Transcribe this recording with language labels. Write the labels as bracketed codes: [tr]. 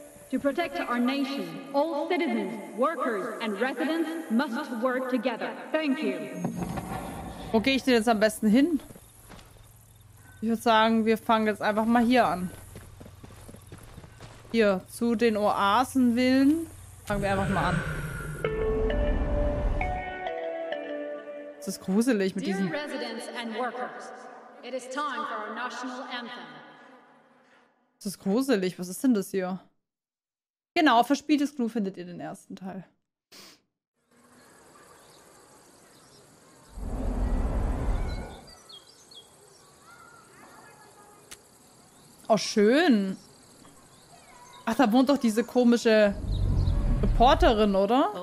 [en] To protect our nation, all citizens, workers and residents must work together. Thank you. [de] Wo gehe ich denn jetzt am besten hin? Ich würde sagen, wir fangen jetzt einfach mal hier an. Hier, zu den Oasenvillen. Fangen wir einfach mal an. Es ist gruselig mit diesen... [en] Dear residents and workers, it is time for our national anthem. [de] Es ist gruselig, was ist denn das hier? Genau, verspieltes Glue findet ihr den ersten Teil. Oh, schön. Ach, da wohnt doch diese komische Reporterin, oder?